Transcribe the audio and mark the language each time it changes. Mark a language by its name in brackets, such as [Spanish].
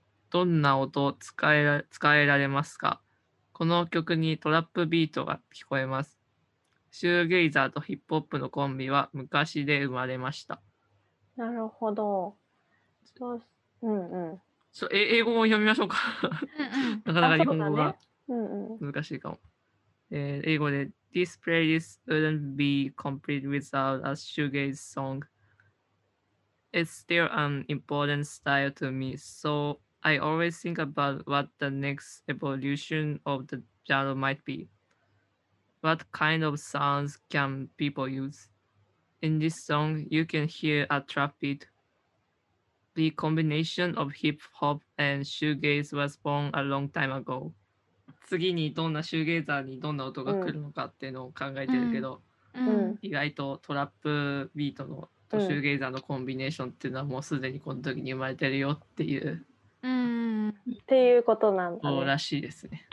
[Japanese] どんな音を使えられますか。この曲にトラップビートが聞こえます。シューゲイザーとヒップホップのコンビは昔で生まれました。なるほど、うんうん、英語を読みましょうかなかなか日本語が難しいかも、うんうん、英語で [English] This playlist wouldn't be complete without a shoegaze song. It's still an important style to me, so I always think about what the next evolution of the genre might be. What kind of sounds can people use? In this song, you can hear a trap beat. The combination of hip hop and shoegaze was born a long time ago. [Japanese] 次にどんなシューゲーザーにどんな音が来るのかっていうのを考えてるけど、うん、意外とトラップビートのとシューゲーザーのコンビネーションっていうのはもうすでにこの時に生まれてるよっていう、うん、っていうことなんだね、そうらしいですね、